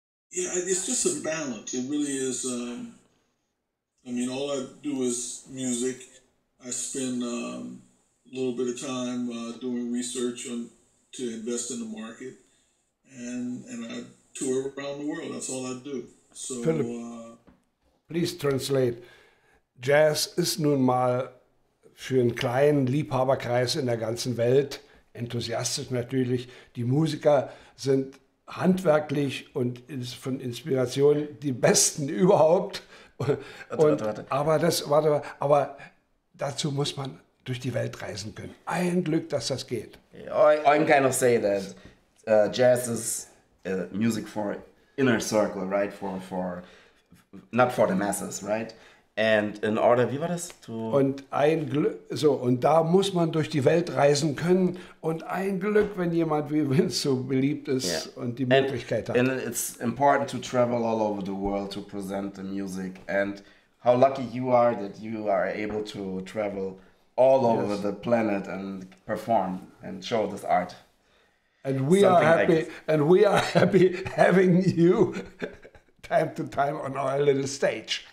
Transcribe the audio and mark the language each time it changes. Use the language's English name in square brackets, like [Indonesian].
[English] It's just a balance. It really is. All I do is music. I spend a little bit of time doing research to invest in the market, and I tour around the world. That's all I do. So, Philip, please translate. [German] Jazz ist nun mal für einen kleinen Liebhaberkreis in der ganzen Welt enthusiastisch natürlich. Die Musiker sind handwerklich und von Inspiration die besten überhaupt. Aber dazu muss man durch die Welt reisen können. Ein Glück, dass das geht. [English] I'm kind of say that Jazz is music for inner circle, right? For not for the masses, right? And in order, [German] wie war das? Und da muss man durch die Welt reisen können. Und ein Glück, wenn jemand wie Vince so beliebt ist und die Möglichkeit hat. [English] And it's important to travel all over the world to present the music. And how lucky you are that you are able to travel all over the planet and perform and show this art. And we are happy. And we are happy having you time to time on our little stage.